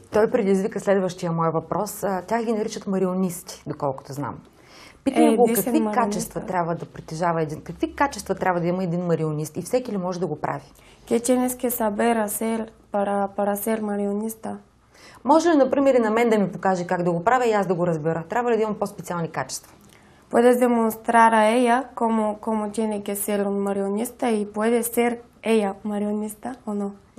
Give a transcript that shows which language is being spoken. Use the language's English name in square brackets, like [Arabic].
[Bulgarian] Той предизвика следващия мой въпрос. Тях ги наричат марионисти, доколкото знам. Питам го, какви качества трябва да притежава един, какви качества трябва да има един марионист и всеки ли може да го прави? [Spanish] ¿Qué tienes que saber hacer para ser marionista? [Bulgarian] Може ли, например, и на мен да ми покаже как да го правя и аз да го разбера? Трябва ли да имам по-специални качества? [Spanish] Puedes demostrar a ella cómo tiene que ser un marionista y puede ser ella marionista o no.